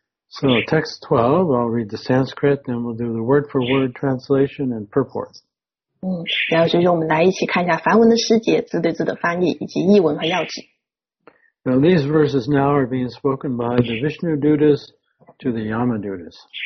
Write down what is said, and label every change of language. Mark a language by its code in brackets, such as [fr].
[en] So text 12, I'll read the Sanskrit, then we'll do the word for word translation and purport. [zh] 嗯，然后学学我们来一起看一下梵文的诗节，字对字的翻译以及译文和要旨。 [en] Now these verses now are being spoken by the Vishnu Dutas to the Yama Dutas.